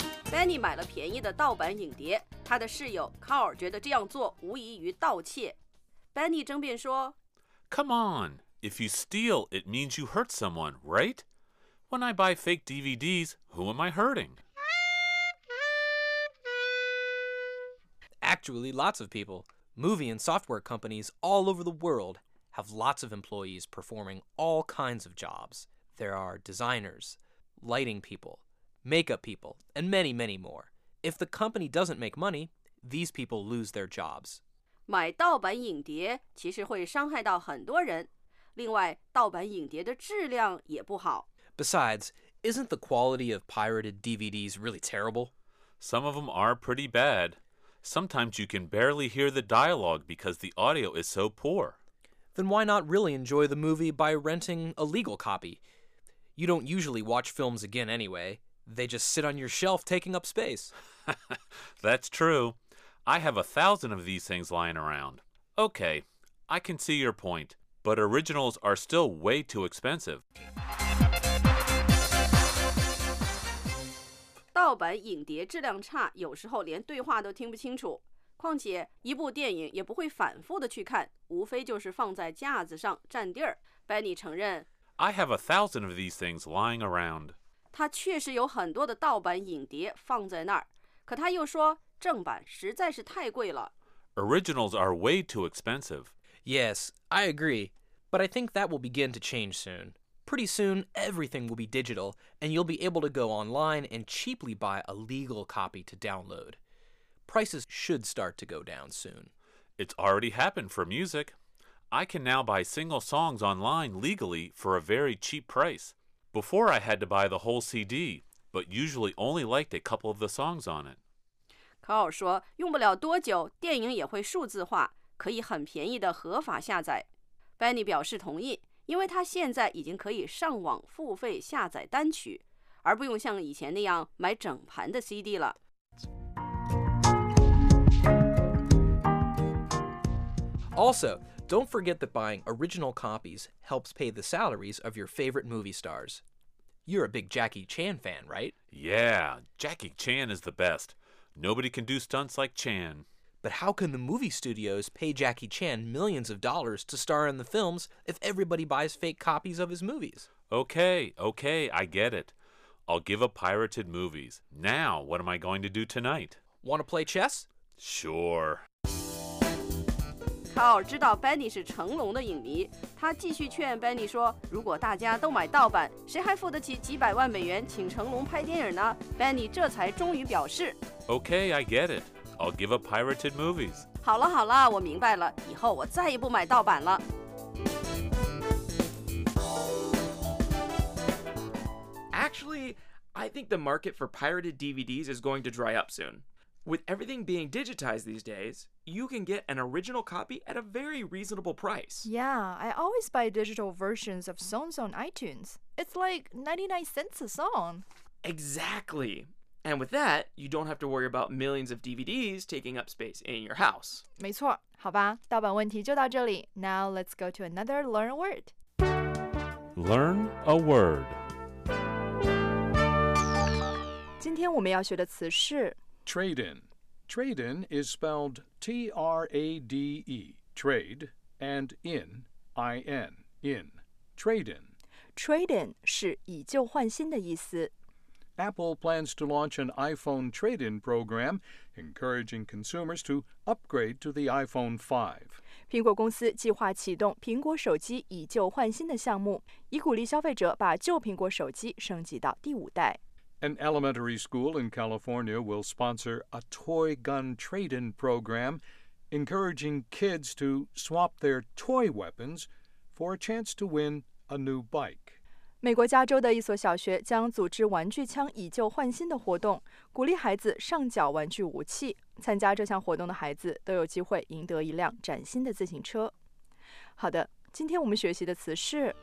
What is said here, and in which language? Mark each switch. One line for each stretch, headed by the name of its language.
Chinese: Benny 买了便宜的盗版影碟，他的室友 Carl 觉得这样做无异于盗窃。 Benny 争辩说
English: Come on, if you steal, it means you hurt someone, right? When I buy fake DVDs, who am I hurting? Actually, lots of people. Movie and software companies all over the world have lots of employees performing all kinds of jobs. There are designers, lighting people, makeup people, and many, many more. If the company doesn't make money, these people lose their jobs.
Chinese: 买盗版影碟其实会伤害到很多人。另外，盗版影碟的质量也不好。
English: Besides, isn't the quality of pirated DVDs really terrible? Some of them are pretty bad. Sometimes you can barely hear the dialogue because the audio is so poor. Then why not really enjoy the movie by renting a legal copy? You don't usually watch films again anyway. They just sit on your shelf taking up space. That's true. I have 1,000 of these things lying around. Okay, I can see your point, but originals are still way too expensive.
Chinese: 盗版影碟质量差，有时候连对话都听不清楚。况且，一部电影也不会反复的去看，无非就是放在架子上占地儿。 Benny 承认
English: I have 1,000 of these things lying around.
Chinese: 他确实有很多的盗版影碟放在那儿，可他又说正版实在是太贵了。
English: Originals are way too expensive. Yes, I agree. But I think that will begin to change soon. Pretty soon, everything will be digital, and you'll be able to go online and cheaply buy a legal copy to download. Prices should start to go down soon. It's already happened for music. I can now buy single songs online legally for a very cheap price. Before, I had to buy the whole CD, but usually only liked a couple of the songs on it.
Chinese: Carl 说用不了多久电影也会数字化，可以很便宜的合法下载。Benny 表示同意，因为他现在已经可以上网付费下载单曲，而不用像以前那样买整盘的 CD 了。
English: Also, don't forget that buying original copies helps pay the salaries of your favorite movie stars. You're a big Jackie Chan fan, right? Yeah, Jackie Chan is the best. Nobody can do stunts like Chan. But how can the movie studios pay Jackie Chan millions of dollars to star in the films if everybody buys fake copies of his movies? Okay, I get it. I'll give up pirated movies. Now, what am I going to do tonight? Want to play chess? Sure.
Chinese: Carl 知道 Benny 是成龙的影迷，他继续劝 Benny 说，如果大家都买盗版，谁还付得起几百万美元请成龙拍电影呢？ Benny 这才终于表示
English: Okay, I get it. I'll give up pirated movies.
Chinese: 好了，我明白了，以后我再也不买盗版了。
English: Actually, I think the market for pirated DVDs is going to dry up soon. With everything being digitized these days, you can get an original copy at a very reasonable price. Yeah, I always buy digital versions of songs on iTunes. It's like 99 cents a song. Exactly. And with that, you don't have to worry about millions of DVDs taking up space in your house.
Chinese: 没错，好吧，盗版问题就到这里。
English: Now let's go to another learn a word. Learn a word.
Chinese: 今天我们要学的词是
English: Trade-in. Trade-in is spelled T-R-A-D-E, trade, and in, I-N, in. Trade-in.
Chinese: Trade-in 是以旧换新的意思。
English: Apple plans to launch an iPhone trade-in program, encouraging consumers to upgrade to the iPhone 5.
Chinese: 苹果公司计划启动苹果手机以旧换新的项目，以鼓励消费者把旧苹果手机升级到第五代。
English: An elementary school in California will sponsor a toy gun trade-in program, encouraging kids to swap their toy weapons for a chance to win a new bike.
Chinese: 美国加州的一所小学将组织玩具枪以旧换新的活动，鼓励孩子上缴玩具武器。参加这项活动的孩子都有机会赢得一辆崭新的自行车。好的，今天我们学习的词是